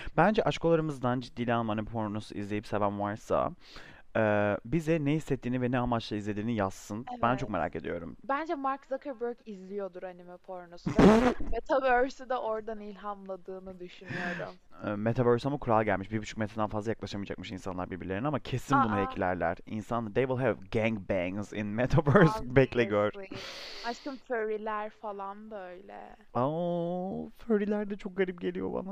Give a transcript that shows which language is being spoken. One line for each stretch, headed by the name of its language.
Turkish: Bence aşk olarımızdan ciddi anlamda anime pornosu izleyip seven varsa bize ne hissettiğini ve ne amaçla izlediğini yazsın. Ben çok Evet. merak ediyorum. Bence Mark Zuckerberg izliyordur anime pornosu ve Metaverse'ü de oradan ilhamladığını düşünüyorum. Metaverse'e ama kural gelmiş. 1,5 metreden fazla yaklaşamayacakmış insanlar birbirlerine ama kesin bunu Aa. hacklerler. İnsan,
English: they will have gang bangs in Metaverse.
Turkish: Bekle gör.
English: Obviously.
Turkish: Aşkım furry'ler falan da öyle. Aa, furry'ler de çok garip geliyor bana.